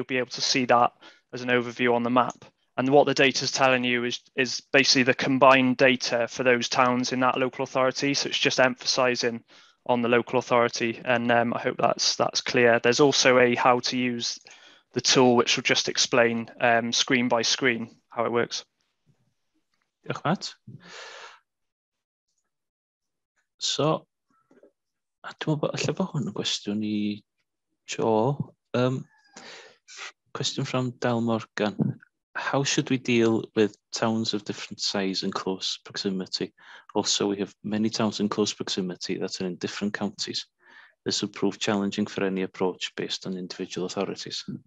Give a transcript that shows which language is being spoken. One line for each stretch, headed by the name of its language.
English: You'll be able to see that as an overview on the map. And what the data is telling you is basically the combined data for those towns in that local authority. So it's just emphasizing on the local authority. And I hope that's clear. There's also a how to use the tool, which will just explain screen by screen how it works.
Welsh: Diolch, Matt. So, allai bod hwn yn gwestiwn I Joe.
English: Question from Del Morgan. How should we deal with towns of different size and close proximity? Also, we have many towns in close proximity that are in different counties. This would prove challenging for any approach based on individual authorities.